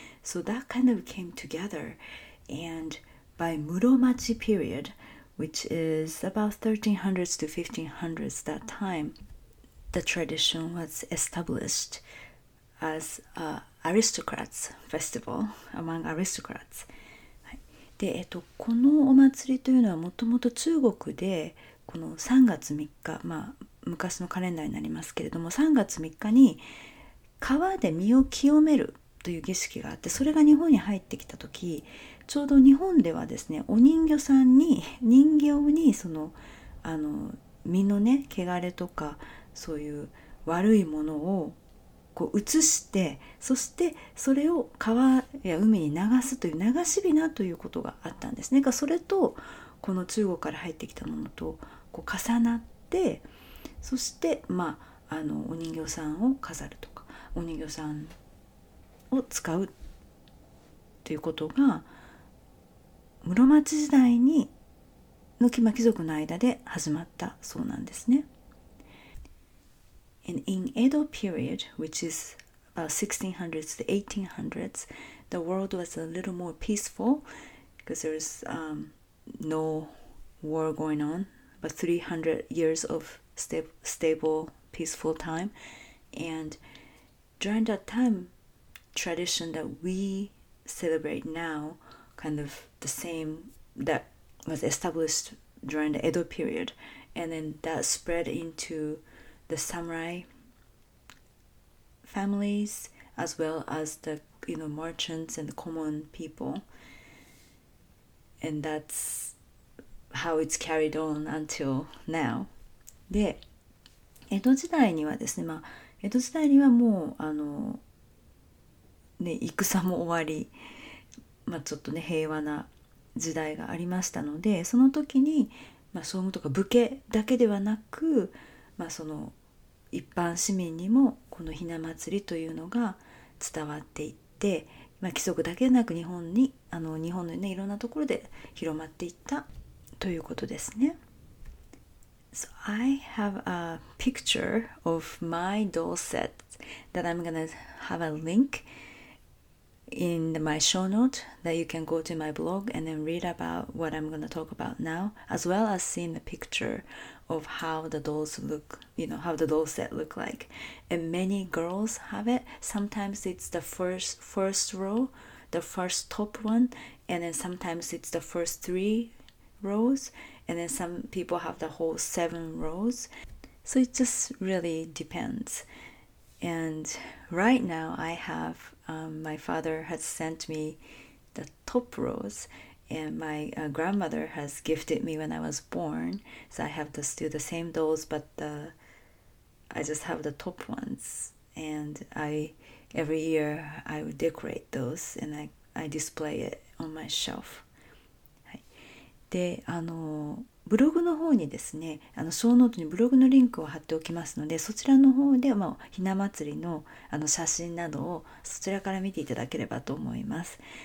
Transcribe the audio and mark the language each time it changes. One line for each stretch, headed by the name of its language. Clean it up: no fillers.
English: So that kind of came together, and by Muromachi period,which is about 1300s to 1500s that time, the tradition was established as an aristocrats festival among aristocrats.
Japanese: で、このお祭りというのはもともと中国でこの3月3日、まあ昔のカレンダーになりますけれども、3月3日に川で身を清めるという儀式があって、それが日本に入ってきた時、ちょうど日本ではですね、お人形さんに、人形にその、身のね、汚れとか、そういう悪いものをこう移して、そしてそれを川や海に流すという流し雛ということがあったんですね。それと、この中国から入ってきたものとこう重なって、そして、まあ、お人形さんを飾るとか、お人形さんを使うということが、室町時代にの貴族の間で始まったそうなんですね。
English: And in Edo period, which is about 1600s to 1800s, the world was a little more peaceful because there was no war going on, but 300 years of stable, peaceful time. And during that time, tradition that we celebrate now,kind of the same that was established during the Edo period, and then that spread into the samurai families as well as the merchants and the common people, and that's how it's carried on until now.
Japanese: で、江戸時代にはですね、まあ江戸時代にはもうね、戦も終わり。まあ、ちょっとね平和な時代がありましたので、その時に、まあ、総務とか武家だけではなく、まあ、その一般市民にもこのひな祭りというのが伝わっていって、まあ、規則だけでなく日本に日本の、ね、いろんなところで広まっていったということですね。
English: So I have a picture of my doll set that I'm gonna have a link in my show note that you can go to my blog and then read about what I'm gonna talk about now, as well as seeing the picture of how the dolls look, you know, how the doll set look like. And many girls have it. Sometimes it's the first row, the first top one, and then sometimes it's the first three rows. And then some people have the whole seven rows. So it just really depends. And right now I have, my father has sent me the top rows and my grandmother has gifted me when I was born. So I have to still the same dolls, but I just have the top ones. And every year I would decorate those and I display it on my shelf.
Japanese: で、ブログの方にですね、ショーノートにブログのリンクを貼っておきますので、そちらの方で、まあ、ひな祭り の, 写真などをそちらから見ていただければと思います。